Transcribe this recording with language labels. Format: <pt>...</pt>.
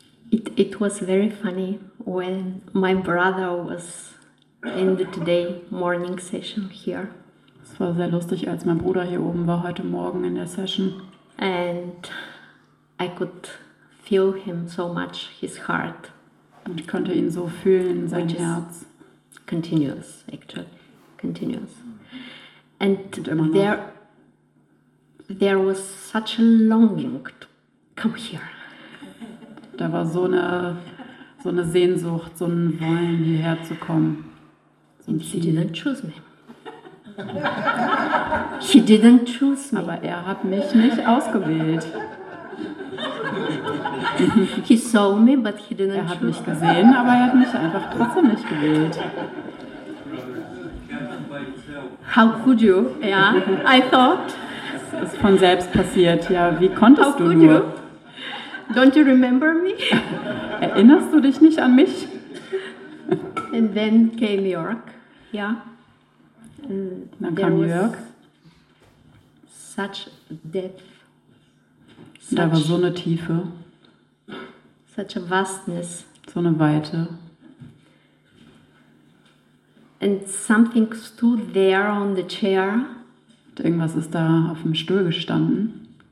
<en>It was very funny when my brother was in the today morning session here.</en> <de>Es war sehr lustig, als mein Bruder hier oben war heute Morgen in der Session.</de> <en>And I could feel him so much, his heart.</en> <de>Und ich konnte ihn so fühlen, sein Herz.</de> <en>Continuous, actually. Continuous. And there was such a longing to come here.</en> <de>Da war so eine Sehnsucht, so ein Wollen, hierher zu kommen.</de> <en>So and Ziel. He didn't choose me. He didn't choose me.</en> <de>Aber er hat mich nicht ausgewählt.</de> <en>He saw me, but he didn't choose me.</en> <de>Er hat mich gesehen, aber er hat mich einfach trotzdem nicht gewählt.</de> <en>How could you? Yeah, I thought.</en> <de>Es ist von selbst passiert. Ja, wie konntest du nur?</de> <en>Don't you remember me?</en> <de>Erinnerst du dich nicht an mich?</de> <en>And then came York, yeah.</en> <de>And dann kam York.</de> <en>Such depth.</en> <de>Da war so eine Tiefe.</de> <en>Such a vastness.</en> <de>So eine Weite.</de> <en>And something stood there on the chair.</en> <de>Und irgendwas ist da auf dem Stuhl gestanden.</de>